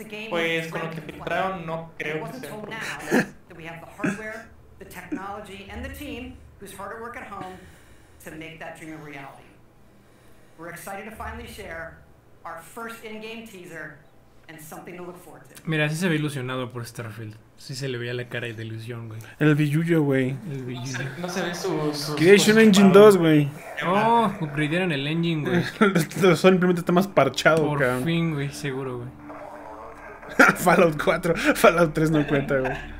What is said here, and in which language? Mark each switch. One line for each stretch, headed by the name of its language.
Spanish: Pues con lo que filtraron, no creo que sea puro humo.
English: We have the hardware, the technology, and the team who's hard at work at home to make that dream a reality. We're excited to finally share our first in-game teaser and something to look forward to.
Spanish: Mira, sí se ve ilusionado por Starfield. Sí se le veía la cara de ilusión, güey. El billuyo, güey. El billuyo. No se ve su Creation Engine 2, güey. Oh, upgradearon el engine, güey. Simplemente está más parchado, cabrón. Por fin, güey, seguro, güey. Fallout 4, Fallout 3 no cuenta, güey.